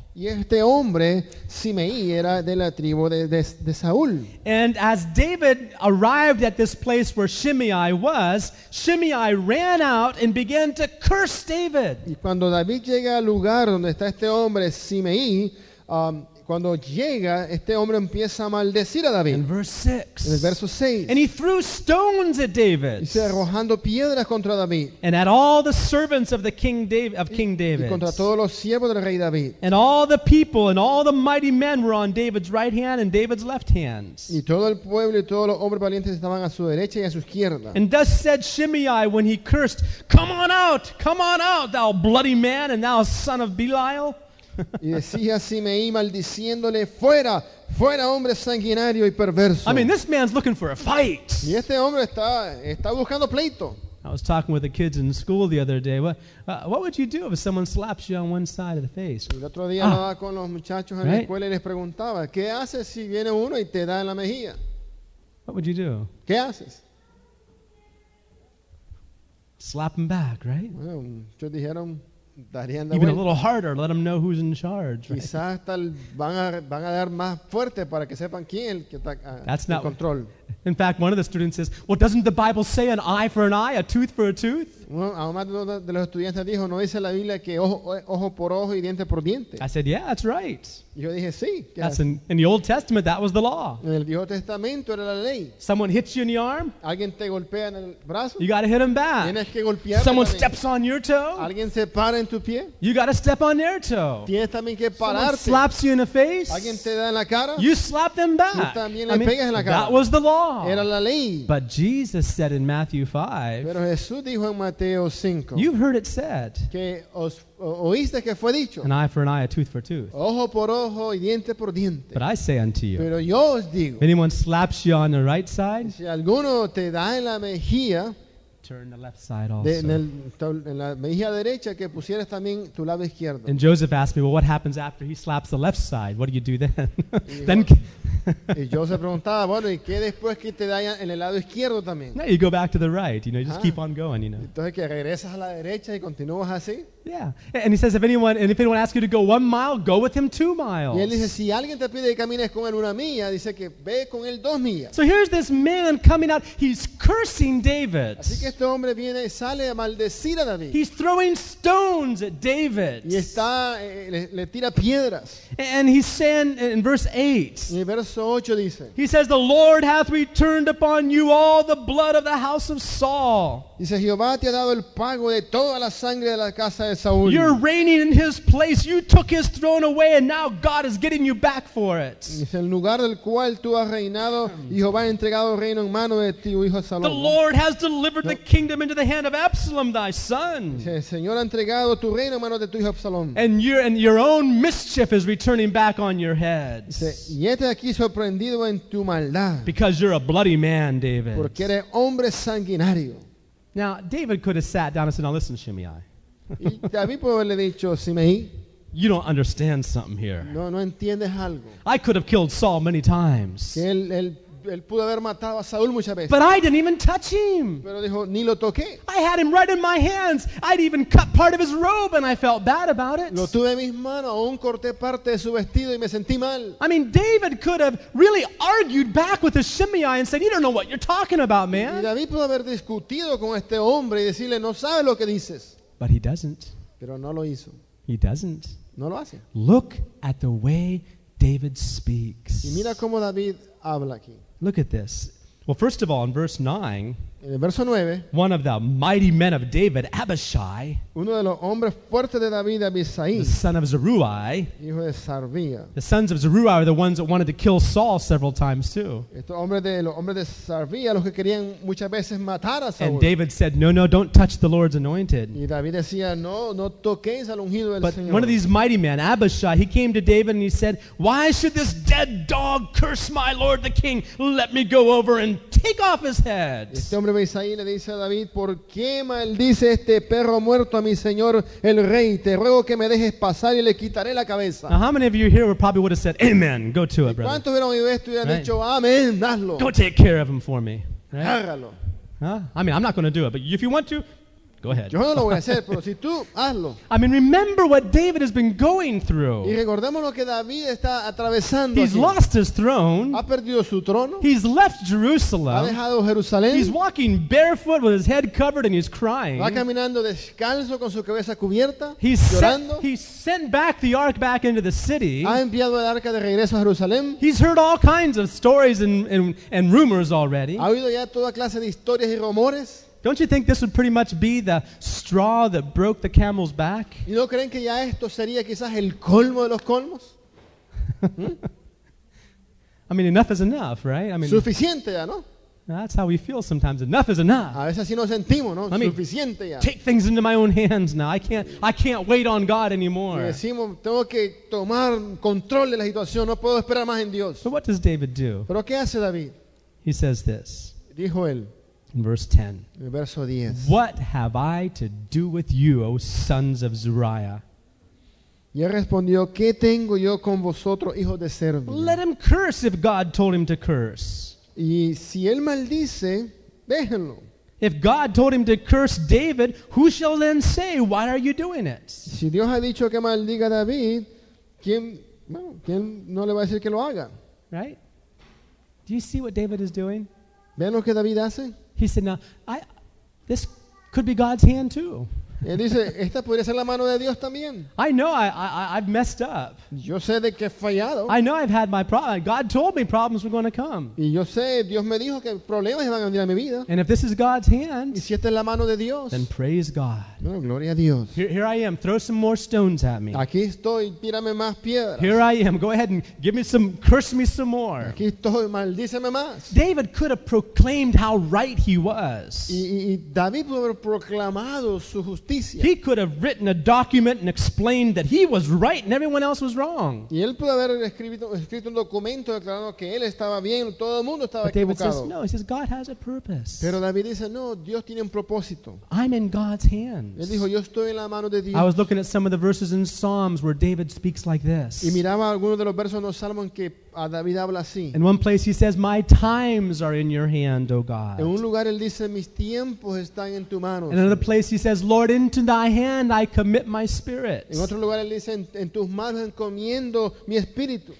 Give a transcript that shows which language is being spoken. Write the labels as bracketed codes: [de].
[es] Y este hombre, Simeí, era de la tribu de Saúl. [en] And as David arrived at this place where Shimei was, Shimei ran out and began to curse David. [es] Y cuando David llega al lugar donde está este hombre, Simeí, cuando llega, este hombre empieza a maldecir a David. [en] In verse 6. And he threw stones at David. [es] Y se arrojando piedras contra David. [en] And at all the servants of the king David, of King David. [es] Y contra todos los siervos del rey David. [en] And all the people and all the mighty men were on David's right hand and David's left hand. [es] Y todo el pueblo y todos los hombres valientes estaban a su derecha y a su izquierda. [en] And thus said Shimei when he cursed, come on out, thou bloody man and thou son of Belial. [es] Y decía Simeí maldiciéndole, fuera, fuera hombre sanguinario y perverso. [en] I mean, this man's looking for a fight. [es] Y este hombre está buscando pleito. [en] I was talking with the kids in school the other day. What would you do if someone slaps you on one side of the face? [es] El otro día hablaba con los muchachos en la escuela y les preguntaba, ¿qué haces si viene uno y te da en la mejilla? [en] What would you do? [es] ¿Qué haces? [en] Slap him back, right? [es] Bueno, muchos dijeron, [en] even a little harder, let them know who's in charge. Right? [es] Van a dar más fuerte para que sepan quién el que está [en] that's [es] el [en] not, control. In fact, one of the students says, "Well, doesn't the Bible say an eye for an eye, a tooth for a tooth?" [es] Uno de los estudiantes dijo, "No dice la Biblia que ojo por ojo y diente por diente." [en] I said, "Yeah, that's right." [es] Yo dije, "Sí." [en] That's in the Old Testament, that was the law. [es] En el Viejo Testamento era la ley. [en] Someone hits you in the arm, [es] alguien te golpea en el brazo, [en] you got to hit him back. [es] Tienes que golpearle. [en] Someone steps on your toe, [es] alguien se para en tu pie, [en] you got to step on their toe. [es] Tienes también que pararte. [en] Someone slaps you in the face, [es] alguien te da en la cara, [en] you slap them back. [es] Tú también le pegas en la cara. [en] That was the law. [es] Era la ley. [en] But Jesus said in Matthew 5, [es] pero Jesús dijo en Mateo 5, [en] you've heard it said, [es] que os oíste que fue dicho, [en] an eye for an eye, a tooth for tooth. [es] Ojo por ojo y diente por diente. [en] But I say unto you, [es] pero yo os digo, [en] if anyone slaps you on the right side, [es] si alguno te da en la mejilla, [en] turn the left side also. [es] En la mejilla derecha, que pusieras también tu lado izquierdo. [en] And Joseph asked me, well, what happens after he slaps the left side? What do you do then? [es] Y yo se preguntaba, bueno, ¿y qué después que te da en el lado izquierdo también? [en] No, you go back to the right, you know, you just keep on going, you know. [es] Entonces que regresas a la derecha y continúas así. [en] Yeah, and he says, if anyone asks you to go 1 mile, go with him 2 miles. [es] Y él dice, si alguien te pide que camines con él 1 milla, dice que ve con él 2 millas. [en] So here's this man coming out, he's cursing David. [es] Así que este hombre viene y sale a maldecir a David. [en] He's throwing stones at David. [es] Y está, le tira piedras. [en] And he's saying in verse 8. [es] Y el verso 8 dice, [en] he says, the Lord hath returned upon you all the blood of the house of Saul. [es] Dice, Jehová te ha dado el pago de toda la sangre de la casa. [en] You're reigning in his place. You took his throne away, and now God is getting you back for it. [es] El lugar del cual tú has reinado, Jehová ha entregado el reino en mano de ti, hijo de Salomón. [en] The Lord has delivered the kingdom into the hand of Absalom, thy son. [es] El Señor ha entregado tu reino en mano de tu hijo Absalom. [en] And your own mischief is returning back on your head. [es] Y estás aquí sorprendido en tu maldad. [en] Because you're a bloody man, David. [es] Porque eres hombre sanguinario. [en] Now David could have sat down and said, "Now listen, Shimei." You don't understand something here. [es] No entiendes algo. [en] I could have killed Saul many times. [es] Él pudo haber matado a Saúl muchas veces. [en] But I didn't even touch him. [es] Pero dijo, ni lo toqué. [en] I had him right in my hands. I'd even cut part of his robe and I felt bad about it. [es] Lo tuve en mis manos, aún corté parte de su vestido y me sentí mal. [en] I mean, David could have really argued back with his Shimei and said, "You don't know what you're talking about, man." [es] Y David pudo haber discutido con este hombre y decirle, "No sabes lo que dices." [en] But he doesn't. [es] Pero no lo hizo. [en] He doesn't. [es] No lo hace. [en] Look at the way David speaks. [es] Y mira cómo David habla aquí. [en] Look at this. Well, first of all, in verse 9, [es] En el verso 9, [en] one of the mighty men of David, Abishai, [es] uno de los hombres fuertes de David, Abishai, [en] the son of Zeruiah, [es] hijo de Sarvia. [en] The sons of Zeruiah are the ones that wanted to kill Saul several times too. [es] Estos hombres de los hombres de Sarvia, los que querían muchas veces matar a Saul. [en] And David said, "No, no, don't touch the Lord's anointed." [es] Y David decía, "No, no toquéis al ungido del [en] but [es] Señor." [en] But one of these mighty men, Abishai, he came to David and he said, "Why should this dead dog curse my lord the king? Let me go over and take off his head." [es] Abisai le dice a David, ¿por qué maldice este perro muerto a mi señor el rey? Te ruego que me dejes pasar y le quitaré la cabeza. [en] Now, how many of you here probably would have said, amen, go to it, brother. [es] ¿Cuántos hubieran oído esto y hubieran dicho, amén, hazlo? [en] Go take care of him for me. Right? [es] Hágalo. [en] Huh? I mean, I'm not going to do it, but if you want to, go ahead. [es] Yo no lo voy a hacer, pero si tú, hazlo. [en] I mean, remember what David has been going through. [es] Y recordemos lo que David está atravesando. [en] He's [es] aquí. [en] Lost his throne. [es] Ha perdido su trono. [en] He's left Jerusalem. [es] Ha dejado Jerusalén. [en] He's walking barefoot with his head covered and he's crying. [es] Va caminando descalzo con su cabeza cubierta, [en] he's [es] llorando. [en] He's sent back the ark back into the city. [es] Ha enviado el arca de regreso a Jerusalén. [en] He's heard all kinds of stories and rumors already. [es] Ha oído ya toda clase de historias y rumores. [en] Don't you think this would pretty much be the straw that broke the camel's back? [es] ¿Y no creen que ya esto sería quizás el colmo de los colmos? [en] I mean, enough is enough, right? I mean, [es] suficiente ya, ¿no? [en] That's how we feel sometimes. Enough is enough. [es] A veces así nos sentimos, ¿no? [en] I mean, [es] suficiente ya. [en] Take things into my own hands now. I can't wait on God anymore. [es] Y decimos, tengo que tomar control de la situación. No puedo esperar más en Dios. [en] So what does David do? [es] ¿Pero qué hace David? [en] He says this. [es] Dijo él. [en] In verse 10. [es] Verso 10. [en] What have I to do with you, O sons of Zeruiah? [es] Y él respondió, ¿qué tengo yo con vosotros, hijos de Sarvia? [en] Let him curse if God told him to curse. [es] Y si él maldice, déjenlo. [en] If God told him to curse David, who shall then say, why are you doing it? [es] Si Dios ha dicho que maldiga a David, ¿quién no le va a decir que lo haga? [en] Right? Do you see what David is doing? [es] ¿Ven lo que David hace? [en] He said, "Now, this could be God's hand too." [es] Él dice, esta podría ser la mano de Dios también. [en] I know I've messed up. [es] Yo sé de que he fallado. [en] I know I've had my problems. God told me problems were going to come. [es] Y yo sé, Dios me dijo que problemas iban a venir a mi vida. [en] And if this is God's hand, [es] y si esta es la mano de Dios, [en] then praise God. [es] Bueno, gloria a Dios. [en] Here I am. Throw some more stones at me. [es] Aquí estoy. Tírame más piedras. [en] Here I am. Go ahead and give me some. Curse me some more. [es] Aquí estoy. Maldíceme más. [en] David could have proclaimed how right he was. [es] Y David pudo haber proclamado su justicia. [en] He could have written a document and explained that he was right and everyone else was wrong. [es] Y él pudo haber escrito un documento declarando que él estaba bien, todo el mundo estaba equivocado. [en] But David says, no, he says, God has a purpose. [es] Pero David dice, no, Dios tiene un propósito. [en] I'm in God's hands. [es] Él dijo, yo estoy en la mano de Dios. [en] I was looking at some of the verses in Psalms where David speaks like this. [es] Y miraba algunos de los versos en los Salmos en que a David habla así. [en] In one place he says, my times are in your hand, O God. [es] En un lugar él dice, mis tiempos están en tu mano. [en] In another place he says, Lord, into thy hand I commit my spirit. [es] En otro lugar él dice, en tus manos encomiendo mi espíritu.